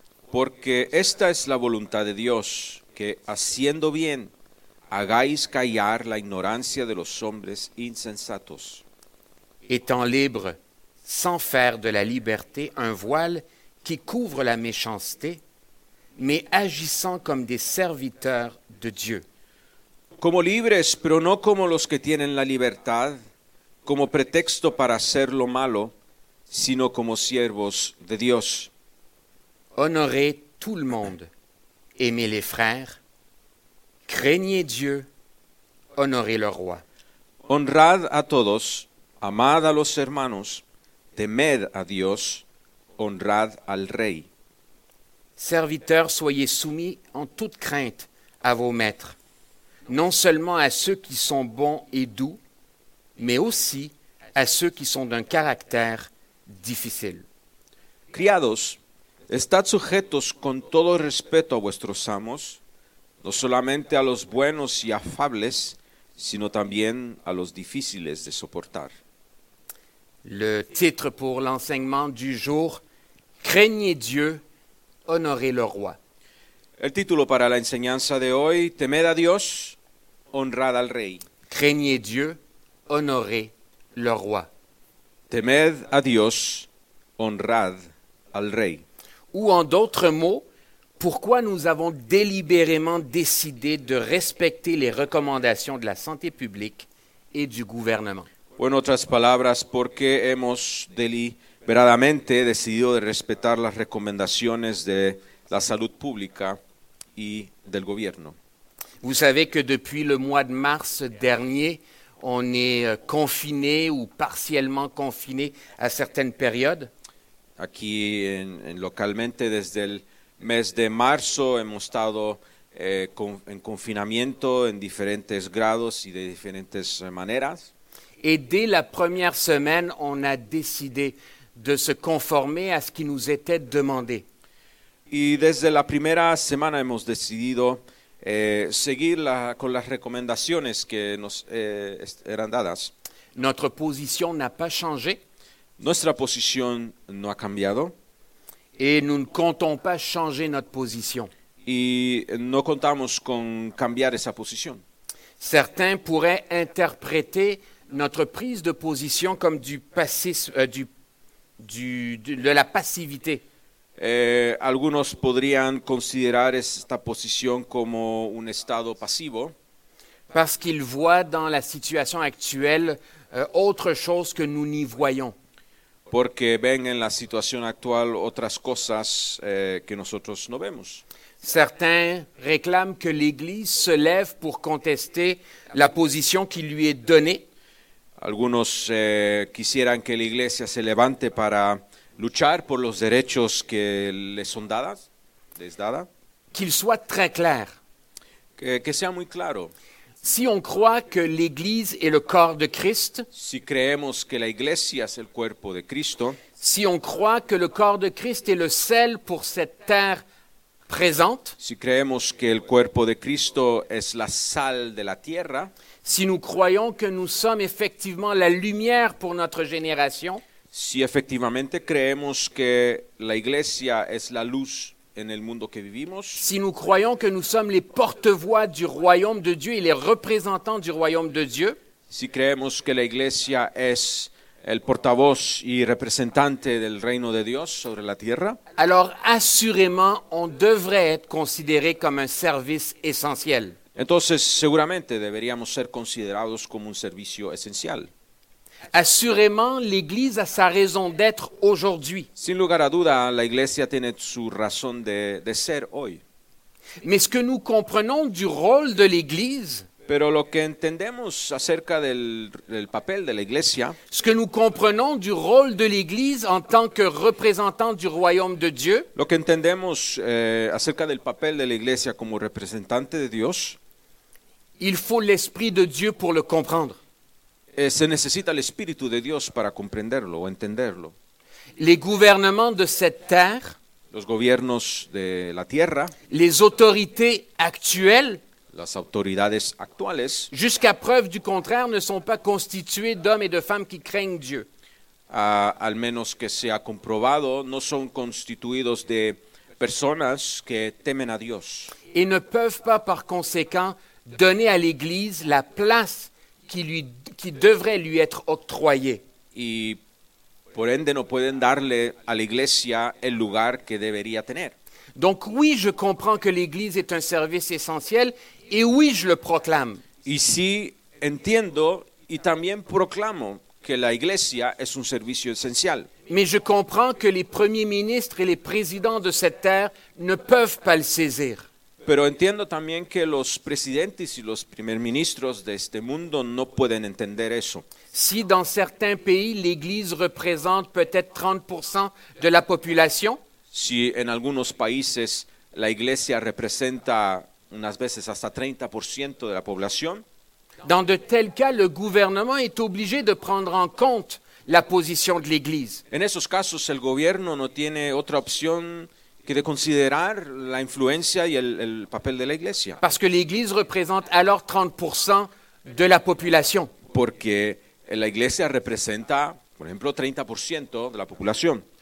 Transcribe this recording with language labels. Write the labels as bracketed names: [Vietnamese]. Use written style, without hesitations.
[Spanish] Porque esta es la voluntad de Dios, que haciendo bien, hagáis callar la ignorancia de los hombres insensatos. [French] Étant libre, sans faire de la liberté un voile qui couvre la méchanceté, mais agissant comme des serviteurs de Dieu. [Spanish] Como libres, pero no como los que tienen la libertad, como pretexto para hacer lo malo, sino como siervos de Dios. [French] Honorez tout le monde, aimez les frères, craignez Dieu, honorez le roi. [Spanish] Honrad a todos, amad a los hermanos, temed a Dios, honrad al rey. [French] Serviteurs, soyez soumis en toute crainte à vos maîtres, non seulement à ceux qui sont bons et doux, mais aussi à ceux qui sont d'un caractère difficile. [Spanish] Criados, estad sujetos con todo respeto a vuestros amos, no solamente a los buenos y afables, sino también a los difíciles de soportar. [French] Le titre pour l'enseignement du jour, craignez Dieu, honorez le roi. [Spanish] El título para la enseñanza de hoy, temed a Dios, honrad al rey. [French] Craignez Dieu, honorez le roi. [Spanish] Temed a Dios, honrad al rey. [French] Ou en d'autres mots, pourquoi nous avons délibérément décidé de respecter les recommandations de la santé publique et du gouvernement. [Spanish] Ou en otras palabras, ¿por qué hemos deliberadamente decidido de respetar las recomendaciones de la salud pública y del gobierno? [French] Vous savez que depuis le mois de mars dernier, on est confiné ou partiellement confiné à certaines périodes. [Spanish] Aquí en localmente desde el mes de marzo hemos estado en confinamiento en diferentes grados y de diferentes maneras. [French] Et dès la première semaine, on a décidé de se conformer à ce qui nous était demandé. [Spanish] Y desde la primera semana hemos decidido seguir con las recomendaciones que nos eran dadas. [French] Notre position n'a pas changé. [Spanish] Nuestra posición no ha cambiado. [French] Et nous ne comptons pas changer notre position. [Spanish] Y no contamos con cambiar esa posición. [French] Certains pourraient interpréter notre prise de position comme de la passivité. [Spanish] Algunos podrían considerar esta posición como un estado pasivo. [French] Parce qu'ils voient dans la situation actuelle autre chose que nous n'y voyons. [Spanish] Porque ven en la situación actual otras cosas que nosotros no vemos. [French] Certains réclament que l'Église se lève pour contester la position qui lui est donnée. [Spanish] Algunos quisieran que la Iglesia se levante para luchar por los derechos que les son dadas, les dada. [French] Qu'il soit très clair. [Spanish] Que sea muy claro. [French] Si on croit que l'Église est le corps de Christ, [Spanish] si creemos que la Iglesia es el cuerpo de Cristo, [French] si on croit que le corps de Christ est le sel pour cette terre présente, [Spanish] si creemos que el cuerpo de Cristo es la sal de la tierra, [French] si nous croyons que nous sommes effectivement la lumière pour notre génération, [Spanish] si efectivamente creemos que la Iglesia es la luz en el mundo que vivimos, [French] si nous croyons que nous sommes les porte-voix du royaume de Dieu et les représentants du royaume de Dieu, [Spanish] si creemos que la Iglesia es el portavoz y representante del reino de Dios sobre la tierra, [French] alors assurément on devrait être considéré comme un service essentiel. [Spanish] Entonces, seguramente deberíamos ser considerados como un servicio esencial. [French] Assurément, l'Église a sa raison d'être aujourd'hui. [Spanish] Sin lugar a duda, la Iglesia tiene su razón de ser hoy. [French] Mais ce que nous comprenons du rôle de l'Église, [Spanish] Pero lo que entendemos acerca del papel de la iglesia, [French] ce que nous comprenons du rôle de l'église en tant que représentant du royaume de Dieu, [Spanish] lo que entendemos acerca del papel de la iglesia como representante de Dios, [French] il faut l'esprit de Dieu pour le comprendre. [Spanish] Se necesita el espíritu de Dios para comprenderlo o entenderlo. [French] Les gouvernements de cette terre, [Spanish] los gobiernos de la tierra, [French] les autorités actuelles, [Spanish] las autoridades actuales, [French] jusqu'à preuve du contraire, ne sont pas constituées d'hommes et de femmes qui craignent Dieu. [Spanish] Al menos que sea comprobado, no son constituidos de personas que temen a Dios. [French] Et ne peuvent pas, par conséquent, donner à l'Église la place qui devrait lui être octroyée. [Spanish] Y por ende no pueden darle a la Iglesia el lugar que debería tener. [French] Donc oui, je comprends que l'Église est un service essentiel, et oui, je le proclame. [Spanish] Y sí, entiendo y también proclamo que la Iglesia es un servicio esencial. [French] Mais je comprends que les premiers ministres et les présidents de cette terre ne peuvent pas le saisir. [Spanish] Pero entiendo también que los presidentes y los primeros ministros de este mundo no pueden entender eso. [French] Si dans certains pays l'Église représente peut-être 30% de la population. [Spanish] Si en algunos países la iglesia representa unas veces hasta 30% de la población. [French] Dans de tels cas, le gouvernement est obligé de prendre en compte la position de l'Église. [Spanish] En esos casos, el gobierno no tiene otra opción que de considerar la influencia y el papel de la iglesia. [French] Parce que l'Église représente alors 30% de la population. [Spanish] Porque la iglesia representa, por ejemplo, 30% de la población.